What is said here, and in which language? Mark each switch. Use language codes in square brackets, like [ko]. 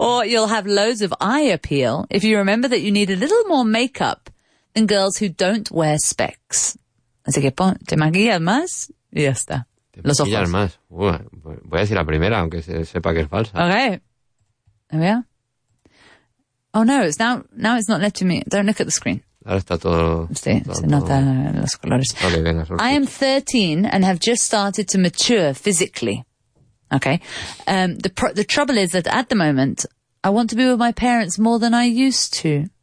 [en] Or you'll have loads of eye appeal if you remember that you need a little more makeup than girls who don't wear specs. [es] Así que te maquillas más y ya está. Los ojos. Te maquillas más. Voy a decir la primera, aunque se sepa que es falsa. [en] Okay. There we are. Oh no, it's now it's not letting me. Don't look at the screen. [es] Ahora está todo. Los colores. Vale, venga, sorte. [en] I am 13 and have just started to mature physically. Okay. The trouble is that at the moment, I want to be with my parents more than I used to.